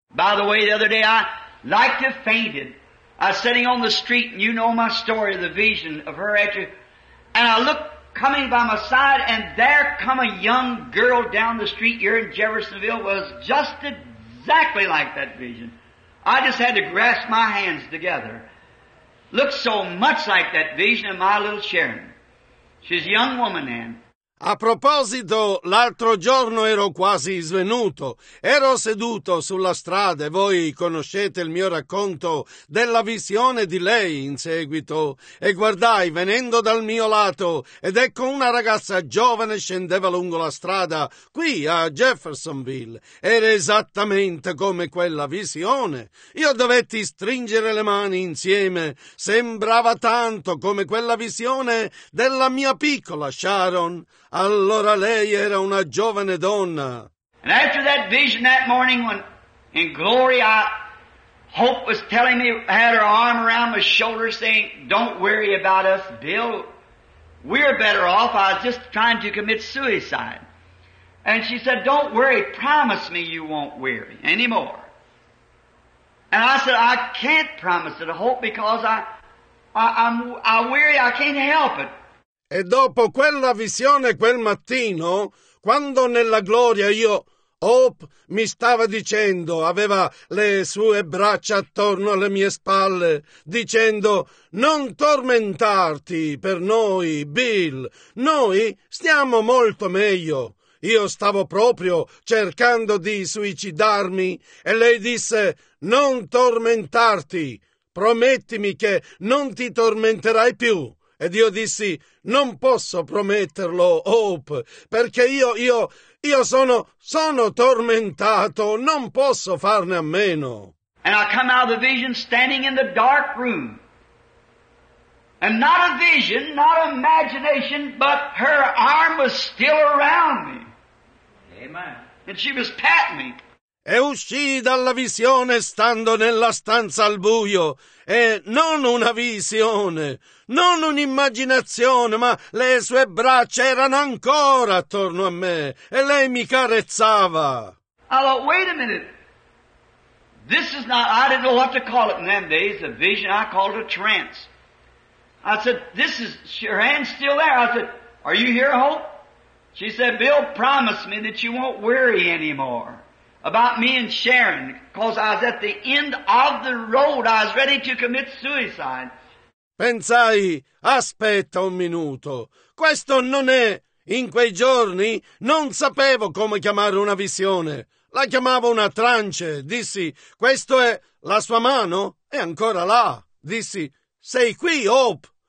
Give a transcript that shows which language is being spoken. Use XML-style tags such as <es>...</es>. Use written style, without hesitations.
<en>By the way, the other day I like to fainted. I was sitting on the street, and you know my story, the vision of her at you. And I looked coming by my side, and there come a young girl down the street here in Jeffersonville was just exactly like that vision. I just had to grasp my hands together. Looks so much like that vision of my little Sharon. She's a young woman then.</en> <it>A proposito, l'altro giorno ero quasi svenuto. Ero seduto sulla strada e voi conoscete il mio racconto della visione di lei in seguito. E guardai, venendo dal mio lato, ed ecco una ragazza giovane scendeva lungo la strada qui a Jeffersonville. Era esattamente come quella visione. Io dovetti stringere le mani insieme. Sembrava tanto come quella visione della mia piccola Sharon. Allora lei era una giovane donna.</it> <en>And after that vision that morning when in glory I Hope was telling me, had her arm around my shoulder saying, don't worry about us, Bill. We're better off. I was just trying to commit suicide. And she said, don't worry. Promise me you won't worry anymore. And I said, I can't promise it, Hope, because I worry. I can't help it.</en> <it>E dopo quella visione quel mattino, quando nella gloria io, Hope, mi stava dicendo, aveva le sue braccia attorno alle mie spalle, dicendo, non tormentarti per noi, Bill, noi stiamo molto meglio. Io stavo proprio cercando di suicidarmi e lei disse, non tormentarti, promettimi che non ti tormenterai più. Ed io dissi, non posso prometterlo, Hope, perché io sono tormentato, non posso farne a meno.</it> <en>And I come out of the vision standing in the dark room. And not a vision, not imagination, but her arm was still around me. Amen. And she was patting me.</en> <it>E uscii dalla visione stando nella stanza al buio. E non una visione, non un'immaginazione, ma le sue braccia erano ancora attorno a me e lei mi carezzava. Allora,</it> <en>wait a minute. This is not, I didn't know what to call it in them days, a vision, I called a trance. I said, this is, your hand's still there. I said, are you here, Hope? She said, Bill, promise me that you won't worry anymore. About me and Sharon, because I was at the end of the road, I was ready to commit suicide.</en> <it>Pensai, aspetta un minuto, questo non è, in quei giorni non sapevo come chiamare una visione, la chiamavo una trance, dissi, questo è La sua mano è ancora là. Dissi, sei qui, Hope?</it>